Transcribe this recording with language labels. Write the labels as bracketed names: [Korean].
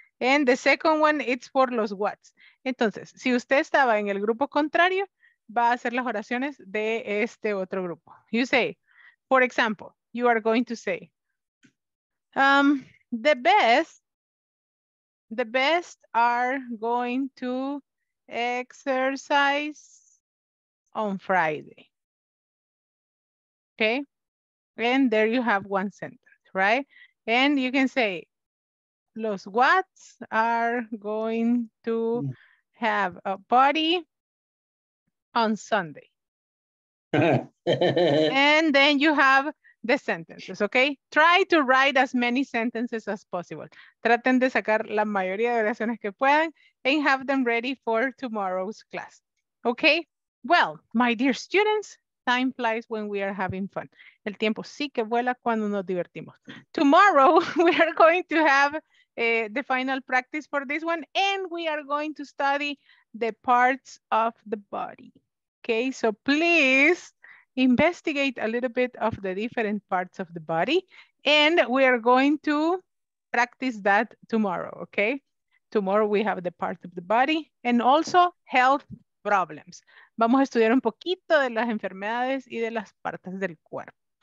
[English] And the second one, it's for los what's. [Spanish] Entonces, si usted estaba en el grupo contrario, va a hacer las oraciones de este otro grupo. [English] You say, for example, you are going to say, The best are going to exercise on Friday. Okay. And there you have one sentence, right? And you can say, los Watts are going to have a party on Sunday. And then you have the sentences, okay? Try to write as many sentences as possible. [Spanish] Traten de sacar la mayoría de oraciones que puedan [English] and have them ready for tomorrow's class, okay? Well, my dear students, time flies when we are having fun. [Spanish] El tiempo sí que vuela cuando nos divertimos. [English] Tomorrow, we are going to have the final practice for this one and we are going to study the parts of the body, okay? So please, investigate a little bit of the different parts of the body and we are going to practice that tomorrow, okay? Tomorrow we have the part of the body and also health problems. [Spanish] Vamos a estudiar un poquito de las enfermedades y de las partes del cuerpo.